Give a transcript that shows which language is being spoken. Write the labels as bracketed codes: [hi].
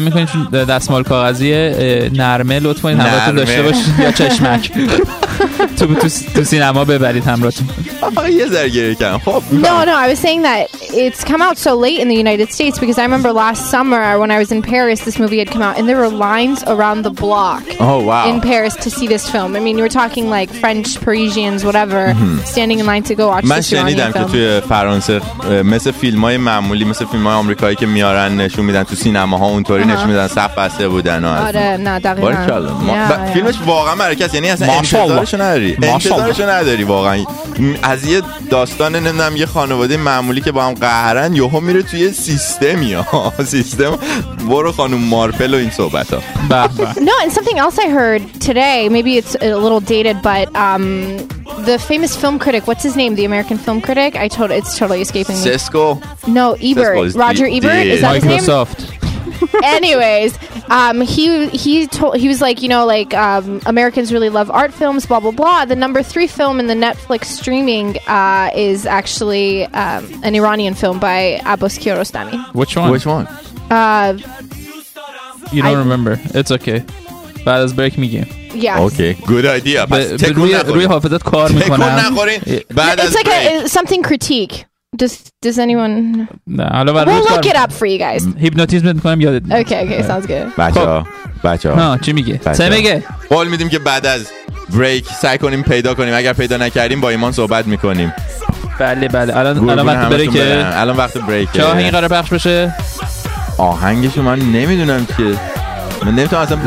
[fa] میکنین چون دستمال کاغذی نرمه، لطفا این همراهتون داشته باشید یا چشمک. تو سینما ببرید همراهتون. یه ذره گریه کردم. خب. [en] No, I was saying that it's come out so late in the United States because I remember last summer when I was in Paris this movie had come out and there were lines around the block. Oh wow. In Paris to see this film. I mean, you were talking like French Parisians whatever. Standing in line to go watch. [fa] من شنیدم که توی فرانسه مثل فیلم‌های معمولی، مثل فیلم‌های آمریکایی که میارن نشون میدن تو سینماها اونطوری نشون میدن، صف بسته بودن. آره نه دقیقاً. فیلمش واقعا مرکز، یعنی اصلا انتظارشو نداری. انتظارشو نداری واقعا. از یه داستان نمیدونم یه خانواده معمولی که با هم قهرن، یهو میره توی سیستمی سیستم برو خانم مارپل و این صحبتا. [en] No, and something else I heard today, maybe it's a little dated, but the famous film critic, what's his name? The American film critic? It's totally escaping me. Siskel? No, Ebert. Roger Ebert? Is that His name? Microsoft. Anyways, he was like, you know, like Americans really love art films, blah, blah, blah. The number 3 film in the Netflix streaming is actually an Iranian film by Abbas Kiarostami. Which one? Which one? You don't remember. It's okay. [fa] بعد از بریک میگیم. [en] Yes. Okay. Good idea. [fa] پس تکون نخورین. روی حافظت کار میکنم. تکون نخورین. بعد از بریک. [en] It's like something critique. Does anyone... [fa] نه. حالا بعد [en] we'll look it up for you guys. [fa] هیپنوتیزم میکنم یادت. [en] Okay. Sounds good. [fa] بچه ها. نه. چی میگه؟ سه میگه. قول میدیم که بعد از بریک سعی کنیم پیدا کنیم. اگر پیدا نکردیم با ایمان صحبت میکنیم. بله بله. الان وقت بریکه. الان وقت بریکه. چه آهنگی قرار پخش بشه؟ آهنگشو من نمیدونم که. من نمیتونم اصلا